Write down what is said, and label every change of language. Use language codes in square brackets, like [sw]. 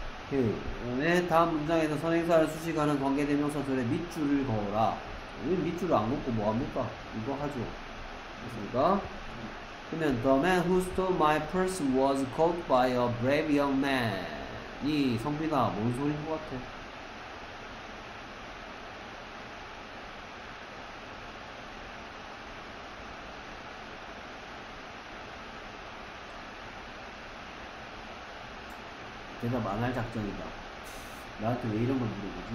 [ko] 그 다음에 다음 문장에서 선행사를 수식하는 관계대명사절에 밑줄을 그어라. 밑줄을 안 긋고 뭐 합니까? 이거 하죠. 그렇습니까? 그러면 [en] The man who stole my purse was caught by a brave young man. [ko] 이 성빈아, 뭔 소리인 것 같아? 대답 안할 작정이다. 나한테 왜 이런 걸 물어보지?